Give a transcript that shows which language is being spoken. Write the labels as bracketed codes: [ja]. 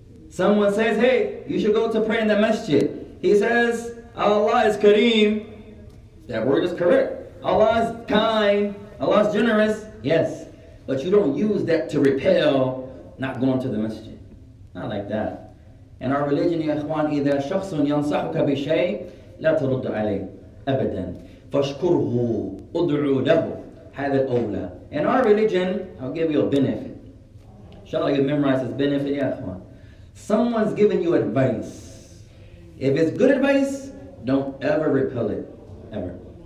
[en] Someone says, hey, you should go to pray in the masjid. He says, Allah is Kareem. That word is correct. Allah is kind. Allah is generous. Yes. But you don't use that to repel not going to the masjid. Not like that. [ar] In our religion, يا إخوان, إذا شخص ينصحك بشيء لا ترد عليه أبدا. فاشكره أدعو له هذا الأولى. [en] In our religion, I'll give you a benefit. Inshallah, you memorize this benefit, [ar] يا إخوان. [en] Someone's giving you advice. If it's good advice, don't ever repel it. Ever.